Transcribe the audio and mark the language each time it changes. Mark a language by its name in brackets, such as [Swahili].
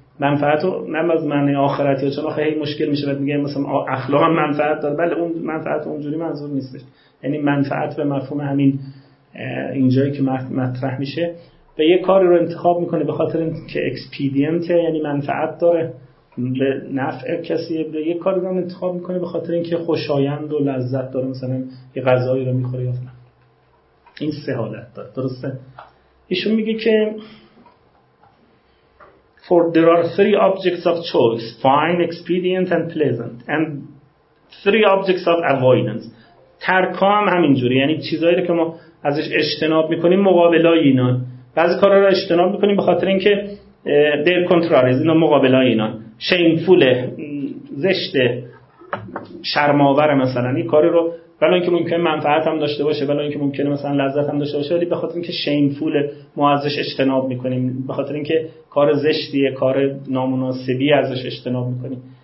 [Persian] منفعت رو نم از معنی آخرتی، چون خیلی مشکل میشه بعد میگه مثلا اخلاق هم منفعت داره، بله اون منفعت اونجوری منظور نیستش، یعنی منفعت به مفهوم همین اینجایی که مطرح میشه. به یه کاری رو انتخاب میکنه به خاطر اینکه اکسپیدینته، یعنی منفعت داره به نفع کسی. به یه کاری رو انتخاب میکنه به خاطر اینکه خوشایند و لذت داره، مثلا یه غذایی رو میخوره یا فلان. این سه حالت داره، درسته؟ ایشون میگه که [English] for there are three objects of choice: fine, expedient and pleasant, and three objects of avoidance. [Persian] ترکا هم همینجوری، یعنی چیزایی رو که ما ازش اجتناب میکنیم، مقابله اینا، بعضی کارها رو اجتناب میکنیم به خاطر اینکه در کنترلیز اینا، مقابله اینا شیمفوله، زشته، شرماوره مثلا. این کاری رو ولی اینکه ممکنه منفعت هم داشته باشه، ولی اینکه ممکنه مثلا لذت هم داشته باشه، ولی به خاطر اینکه شیمفوله ما ازش اجتناب میکنیم، به خاطر اینکه کار زشتیه، کار نامناسبی، ازش اجتناب میکنیم.